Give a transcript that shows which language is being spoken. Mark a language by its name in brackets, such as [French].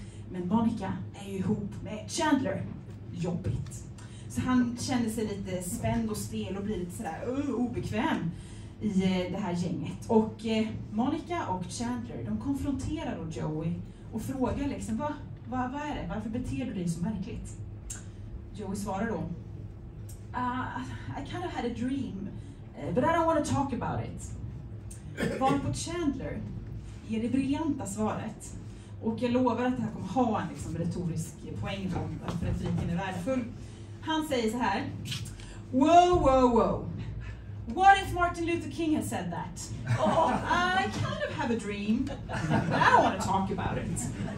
[Swedish] Men Monica är ju ihop med Chandler. Jobbigt. Så han känner sig lite spänd och stel och blir lite sådär obekväm i det här gänget. Och Monica och Chandler, de konfronterar då Joey och frågar liksom, vad är det? Varför beter du dig så märkligt? Joey svarar då, [English] I kind of had a dream, but I don't want to talk about it. [Swedish] Varpå Chandler ger det briljanta svaret. Och jag lovar att det här kommer ha en liksom retorisk poäng då, för att retoriken är värdefull. Han säger så här. [English] Whoa, whoa, whoa. What if Martin Luther King had said that? Oh, I kind of have a dream. But I don't want to talk about it.